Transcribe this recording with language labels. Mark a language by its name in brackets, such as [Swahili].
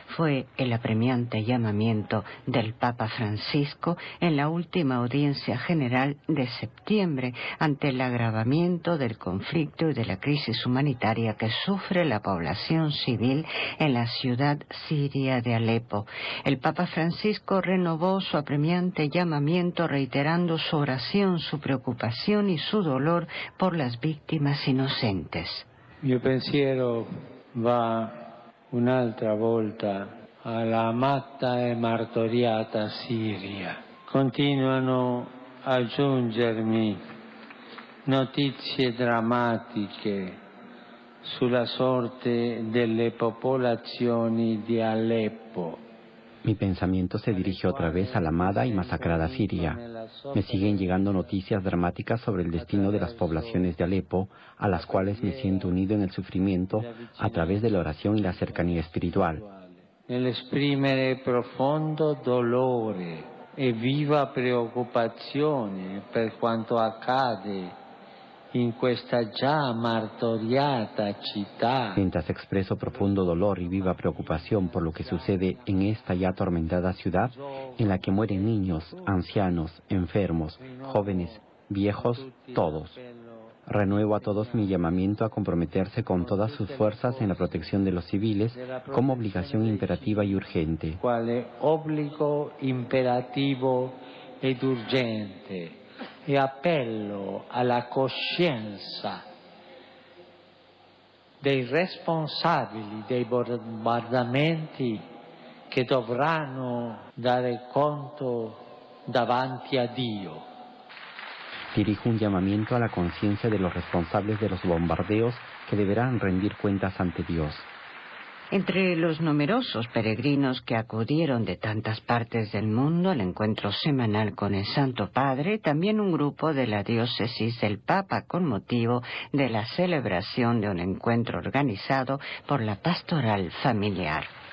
[Spanish] Fue el apremiante llamamiento del Papa Francisco en la última audiencia general de septiembre ante el agravamiento del conflicto y de la crisis humanitaria que sufre la población civil en la ciudad siria de Alepo. El Papa Francisco renovó su apremiante llamamiento reiterando su oración, su preocupación y su dolor por las víctimas inocentes. [Italian] Mi pensiero va un'altra volta alla amata e martoriata Siria. Continuano a giungermi notizie drammatiche sulla sorte delle popolazioni di Aleppo. [Spanish] Mi pensamiento se dirige otra vez a la amada y masacrada Siria. Me siguen llegando noticias dramáticas sobre el destino de las poblaciones de Alepo, a las cuales me siento unido en el sufrimiento a través de la oración y la cercanía espiritual. [Italian] Nel esprimere profondo dolore e viva preoccupazione per quanto accade in questa già martoriata città. [Spanish] Mientras expreso profundo dolor y viva preocupación por lo que sucede en esta ya atormentada ciudad, en la que mueren niños, ancianos, enfermos, jóvenes, viejos, todos. Renuevo a todos mi llamamiento a comprometerse con todas sus fuerzas en la protección de los civiles como obligación imperativa y urgente. ¿Cuál es obligo imperativo y urgente? [Italian] E appello alla coscienza dei responsabili dei bombardamenti che dovranno dare conto davanti a Dio. [Spanish] Dirijo un llamamiento a la conciencia de los responsables de los bombardeos que deberán rendir cuentas ante Dios. Entre los numerosos peregrinos que acudieron de tantas partes del mundo al encuentro semanal con el Santo Padre, también un grupo de la diócesis del Papa con motivo de la celebración de un encuentro organizado por la Pastoral Familiar.